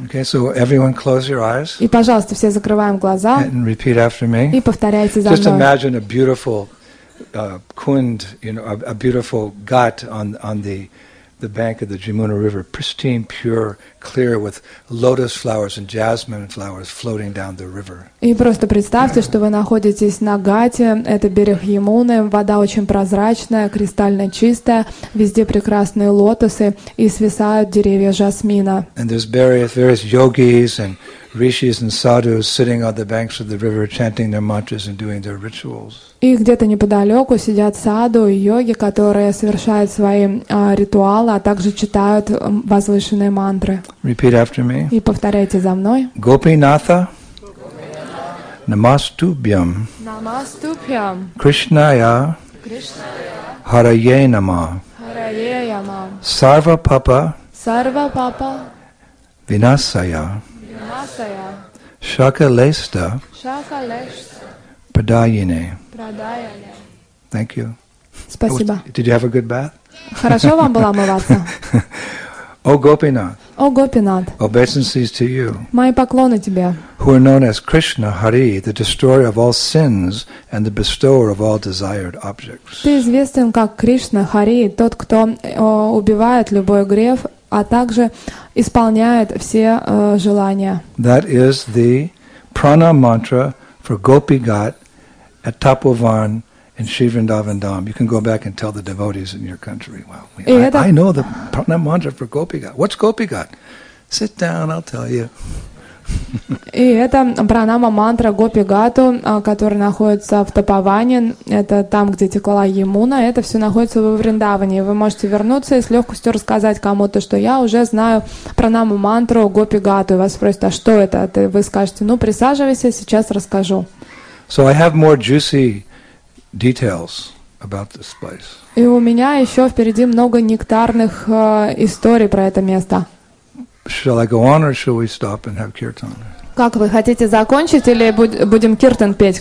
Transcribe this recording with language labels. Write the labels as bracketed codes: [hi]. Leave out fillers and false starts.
[en] Okay, so everyone close your eyes. [ru] И, пожалуйста, все закрываем глаза. [en] And repeat after me. [ru] И повторяйте за [en] Just [ru] мной. [en] Just imagine a beautiful kund, you know, a beautiful ghat on the bank of the Jamuna River, pristine, pure, clear, with lotus flowers and jasmine flowers floating down the river. [ru] И просто представьте, что вы находитесь на гате, это берег Ямуны, вода очень прозрачная, кристально чистая, везде прекрасные лотосы и свисают деревья жасмина. [en] And there's various yogis and rishis and sadhus sitting on the banks of the river chanting their mantras and doing their rituals. [ru] И где-то неподалеку сидят саду и йоги, которые совершают свои ритуалы, а также читают возвышенные мантры. [en] Repeat after me. [ru] И повторяйте за мной. [sa] Gopinatha. Namastubhyam. Namastubhyam. Krishnaya. Krishnaya. Haraye nama. Haraye nama. Sarva papa. Sarva papa. Vinasaya. Vinasaya. Shakalesta. Shakalesta. Pradayine. Pradayine. [en] Thank you. [ru] Спасибо. [en] Did you have a good bath? [ru] Хорошо вам было омываться. [en] O Gopinath. O Gopinath. Obeisances to you. [ru] Мои поклоны тебе. [en] Who are known as Krishna Hari, the destroyer of all sins and the bestower of all desired objects. [ru] Ты известен как Кришна Хари, тот, кто убивает любой грех, а также исполняет все желания. [en] That is the prana mantra for Gopigat at Tapovan in Sri Vrindavan Dham. You can go back and tell the devotees in your country. Well, I know the prana mantra for Gopigat. What's Gopigat? Sit down, I'll tell you. [ru] И это пранама мантра Гопи Гату, которая находится в Тапаване, это там, где текла Ямуна, это все находится во Вриндаване. Вы можете вернуться и с легкостью рассказать кому-то, что я уже знаю пранаму мантру Гопи Гату. И вас спросят, а что это? Вы скажете, ну присаживайся, сейчас расскажу. [en] So I have more juicy details about this place. [ru] И у меня еще впереди много нектарных историй про это место. [en] Shall I go on or shall we stop and have kirtan? [ru] Как вы хотите закончить или будем киртан петь?